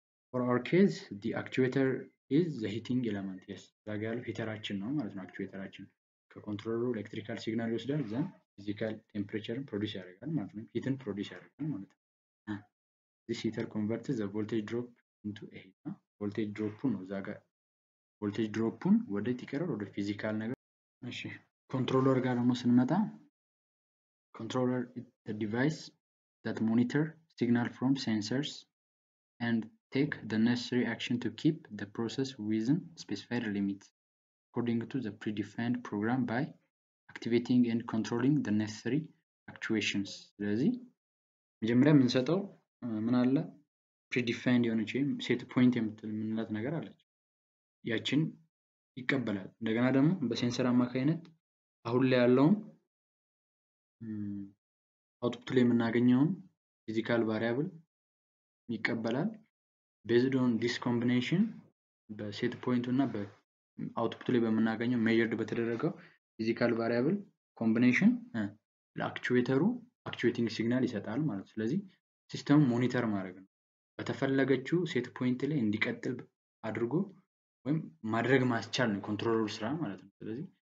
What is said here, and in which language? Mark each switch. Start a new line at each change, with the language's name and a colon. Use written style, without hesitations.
English: for our case the actuator is the heating element yes
Amharic: ዛጋል ሂተራችን ነው ማለት ነው actuatorችን ከ
English: controller electrical signal
Amharic: ይወስዳል ዘን
English: physical temperature produce
Amharic: ያደርጋል ማለት ነው heat produce ያደርጋል ማለት ነው
English: this heater converts the voltage drop into a heat
Amharic: ነው voltage dropun እዛ ጋር voltage dropun ወደ ቲቀረር ወደ physical ነገር እሺ controller ጋር ደግሞ ስንመጣ
English: controller is the device that monitor signal from sensors and take the necessary action to keep the process within specified limits according to the predefined program by activating and controlling the necessary actuations.
Amharic: ስለዚህ መጀመሪያ ምን ሰጠው ምን አለ predefined የሆነች set point የምትል ምንላት ነገር አለች ያችን ይቀበላል እንደገና ደግሞ በሴንሰር አማካይነት አሁን ላይ ያለው output ላይ የምናገኘው
English: physical variable
Amharic: ይቀበላል
English: based on this combination
Amharic: በset point እና በoutput ላይ በመናገኘው measured በተደረገው physical variable combination ለአክቹዌተሩ አክቹዌቲንግ ሲግናል ይሰጣል ማለት ስለዚህ ሲስተም ሞኒተር ማድረግ ነው በተፈለገችው set point ላይ እንዲቀጥል አድርጎ ወይም ማድረግ ማስቻል ነው ኮንትሮለሩ ስራ ማለት ነው ስለዚህ